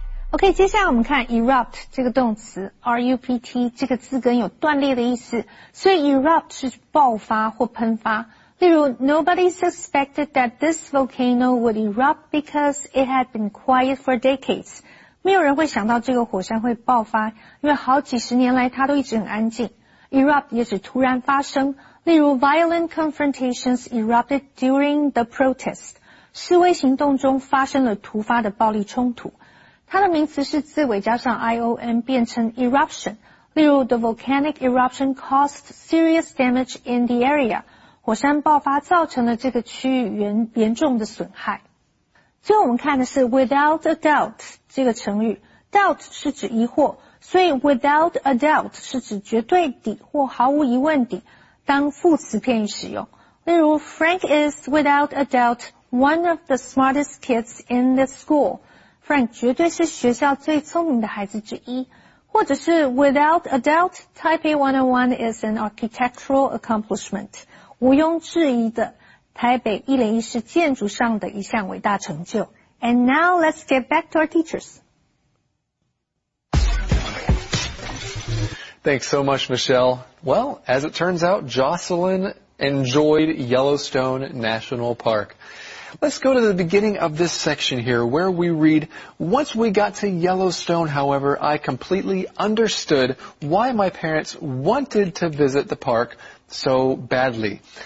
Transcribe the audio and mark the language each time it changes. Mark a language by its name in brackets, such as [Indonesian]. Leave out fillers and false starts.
[Chinese] Okay, 接下来我们看 erupt 这个动词 ,R-U-P-T 这个字根有断裂的意思。所以 erupt 是爆发或喷发。 [English] 例如 ,nobody suspected that this volcano would erupt because it had been quiet for decades. [Chinese] 没有人会想到这个火山会爆发因为好几十年来它都一直很安静。 erupt 也是突然发生。例如 , [English] violent confrontations erupted during the protest. [Chinese] 示威行动中发生了突发的暴力冲突。它的名词是字尾加上 ion 变成 eruption, 例如 [English] the volcanic eruption caused serious damage in the area, [Chinese] 火山爆发造成了这个区域 严重的损害。最后我们看的是 without a doubt 这个成语 ,doubt 是指疑惑所以 without a doubt 是指绝对底或毫无疑问底当副词片语使用。 [English] 例如 Frank is without a doubt one of the smartest kids in the school, [Chinese] Frank 绝对是学校最聪明的孩子之一。或者是 [English] Without a doubt, Taipei 101 is an architectural accomplishment. [Chinese] 毋庸置疑的台北101是建筑上的一项伟大成就。 [English] And now let's get back to our teachers. Thanks so much, Michelle. Well, as it turns out, Jocelyn enjoyed Yellowstone National Park. Let's go to the beginning of this section here where we read, Once we got to Yellowstone, however, I completely understood why my parents wanted to visit the park so badly.